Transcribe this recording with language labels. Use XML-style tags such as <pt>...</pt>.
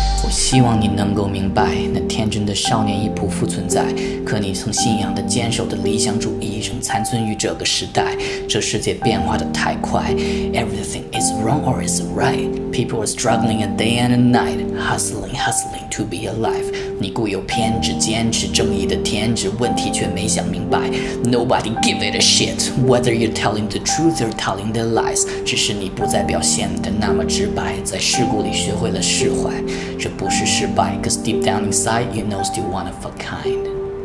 <zh>希望你能够明白，那天真的少年已不复存在，可你曾信仰的坚守的理想主义仍残存于这个时代。这世界变化得太快，</zh> <en>Everything is wrong or is right. People are struggling a day and a night, hustling, hustling to be alive.</en> <zh>你固有偏执，坚持正义的天职，问题却没想明白。</zh> <en>Nobody give it a shit whether you're telling the truth or telling the lies.</en> <zh>只是你不再表现得那么直白，在事故里学会了释怀，这不是失败，</zh> <en>'cause deep down inside you know still one of a kind.</en>